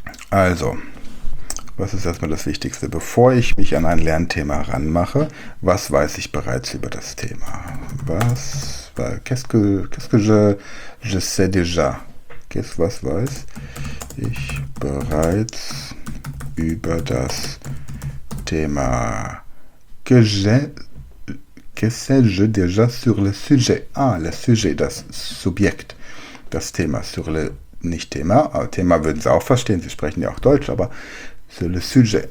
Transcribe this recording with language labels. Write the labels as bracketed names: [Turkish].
[German] Also, was ist erstmal das Wichtigste? Bevor ich mich an ein Lernthema ranmache, was weiß ich bereits über das Thema? Was weiß ich bereits über das Thema? [French] Que sais-je déjà sur le sujet? Ah, le sujet, [German] das Subjekt. Das Thema, [French] sur le, [German] nicht Thema, aber Thema würden Sie auch verstehen, Sie sprechen ja auch Deutsch, aber [French] sur le sujet.